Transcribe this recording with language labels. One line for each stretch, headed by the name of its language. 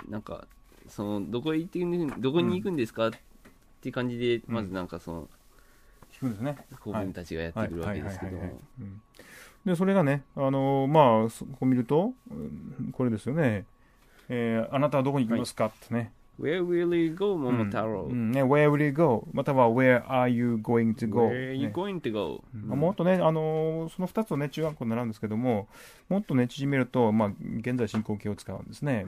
Japanese: なんかそのどこへ行ってどこに行くんですか、うん、っていう感じでまずなんかその、うん、聞くんですね。子分たちがやってくるわけですけども、でそれがね、まあこう見るとこれですよね、あなたはどこに行きますかってね。はい、
English: Where will you go, Momotaro?、うんね、where will you go?
Japanese: または
English: Where are you going to go? Where are you going to go?、
Japanese: ね、もっとね、その2つをね、中学校に習うんですけども、もっとね、縮めると、まあ、現在進行形を使うんですね。